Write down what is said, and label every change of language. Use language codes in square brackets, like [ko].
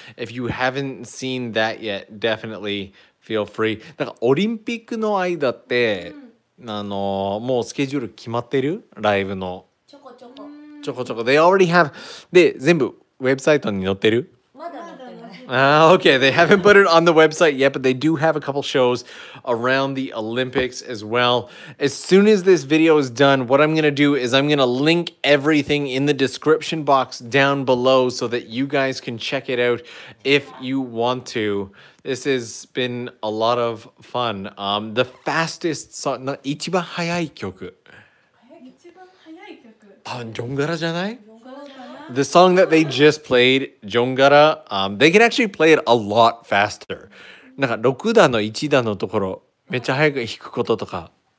[en] If you haven't seen that yet, definitely feel free. [ja] だからオリンピックの間って、もうスケジュール決まってる? ライブの。ちょこちょこ。 [en] They already have... [ja] で、全部ウェブサイトに載ってる? [en] okay, they haven't put it on the website yet, but they do have a couple shows around the Olympics as well. As soon as this video is done, what I'm going to do is I'm going to link everything in the description box down below so that you guys can check it out if you want to. This has been a lot of fun. The fastest song... [ja] 一番速い曲。一番速い曲。多分ジョンガラじゃない? [en] The song that they just played, Jongara, they can actually play it a lot faster. [ja] なんか6段の1段のところ、めっちゃ早く弾くこととか。